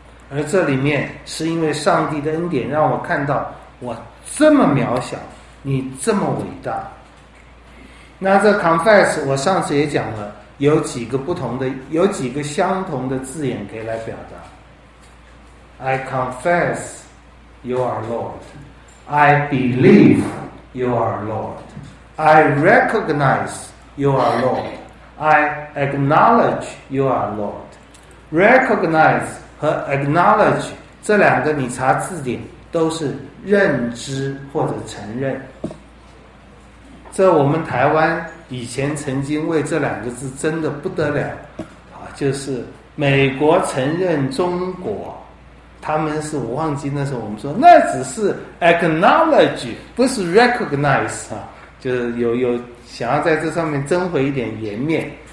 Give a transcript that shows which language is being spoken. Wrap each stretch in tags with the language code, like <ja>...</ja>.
<zh>而这里面是因为上帝的恩典让我看到我这么渺小，你这么伟大。那这 confess 我上次也讲了，有几个不同的，有几个相同的字眼可以来表达。</zh> <en>I confess you are Lord, I believe you are Lord, I recognize you are Lord, I acknowledge you are Lord.</en> <zh>Recognize 和 acknowledge 这两个你查字典都是认知或者承认，这我们台湾以前曾经为这两个字争得不得了啊，就是美国承认中国，他们是我忘记那时候我们说那只是 acknowledge 不是 recognize 啊，就是有想要在这上面争回一点颜面。</zh>